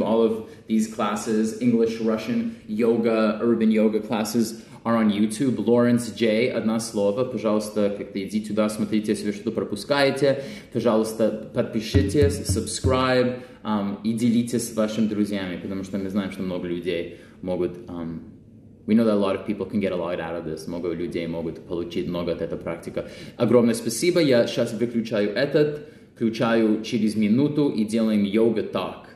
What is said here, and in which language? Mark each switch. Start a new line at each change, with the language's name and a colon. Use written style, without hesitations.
English: All of these classes, English, Russian, yoga, urban yoga classes are on YouTube.
Russian: Lawrence J, одно слово, пожалуйста, как-то иди туда, смотрите, если что-то пропускаете, пожалуйста, подпишитесь, subscribe и делитесь с вашими друзьями, потому что мы знаем, что много людей могут...
English: We know that a lot of people can get a lot out of this.
Russian: Много людей могут получить много от этой практики. Огромное спасибо. Я сейчас выключаю этот. Включаю через минуту и делаем йога так.